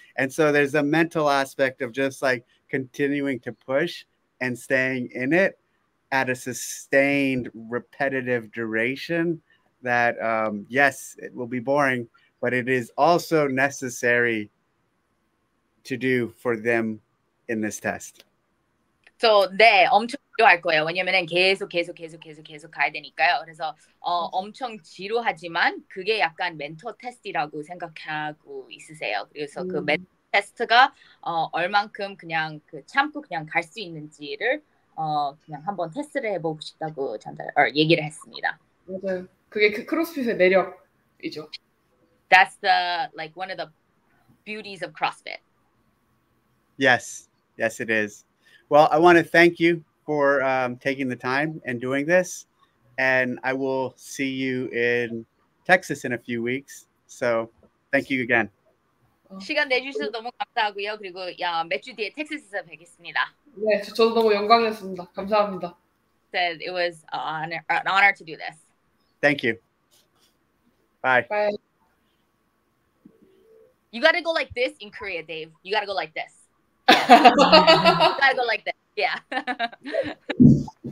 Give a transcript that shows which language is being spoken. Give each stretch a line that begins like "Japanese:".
English: And so there's a mental aspect of just like continuing to push and staying in it at a sustained repetitive duration that yes, it will be boring, but it is also necessary to do for them in this test.
Korean: So 네, 엄청 필요할 거예요. 왜냐면은 계속 가야 되니까요. 그래서 엄청 지루하지만 그게 약간 멘토 테스트라고 생각하고 있으세요. 그래서 그 멘토 테스트가 얼만큼 그냥 그 참고 그냥 갈 수 있는지를 그냥 한번 테스트를 해보고 싶다고 전달 얘기를 했습니다. 맞아요. 그게 그 크로스핏의 매력이죠.
English: That's the like one of the beauties of CrossFit. Yes, yes, it is. Well, I want to thank you for taking the time and doing this, and I will see you in Texas in a few weeks. So, thank you again.
Korean: 시간 내주셔서 너무 감사하고요. 그리고 야 몇 주 뒤에 텍사스에서 뵙겠습니다. 네, 저도 너무 영광이었습니다. 감사합니다.
English: Said it was an honor to do this. Thank you. Bye. Bye. You gotta go like this in Korea, Dave. You gotta go like this. You gotta go like this. Yeah.